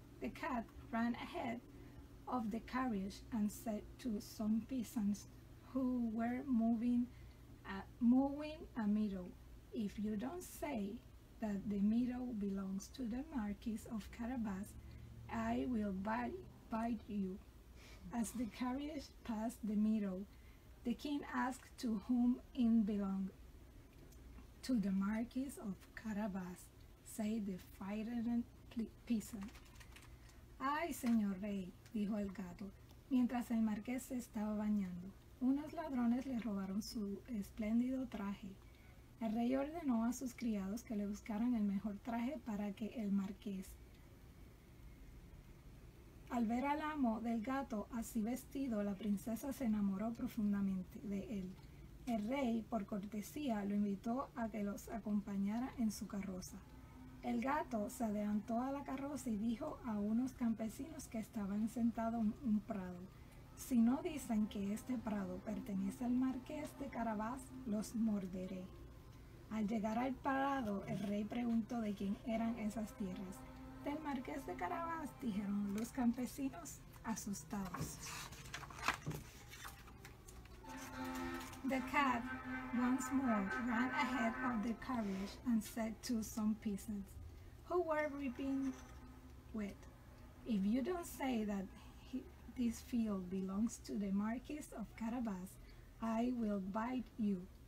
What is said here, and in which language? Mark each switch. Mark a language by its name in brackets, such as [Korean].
[English] The cat ran ahead of the carriage and said to some peasants who were mowing a meadow, "If you don't say that the meadow belongs to the Marquis of Carabas, I will bite you." As the carriage passed the meadow, the king asked to whom it belonged. "To the Marquis of Carabas," said the frightened peasant. [Spanish] "Ay, señor rey," dijo el gato, mientras el marqués se estaba bañando. "Unos ladrones le robaron su espléndido traje." El rey ordenó a sus criados que le buscaran el mejor traje para que el marqués. Al ver al amo del gato así vestido, la princesa se enamoró profundamente de él. El rey, por cortesía, lo invitó a que los acompañara en su carroza. El gato se adelantó a la carroza y dijo a unos campesinos que estaban sentados en un prado, "Si no dicen que este prado pertenece al marqués de Carabas, los morderé." Al llegar al prado, el rey preguntó de quién eran esas tierras. "Del marqués de Carabas", dijeron los campesinos asustados. [English] The cat once more ran ahead of the carriage and said to some peasants who were reaping wheat, "If you don't say that this field belongs to the marqués of Carabas, I will bite you."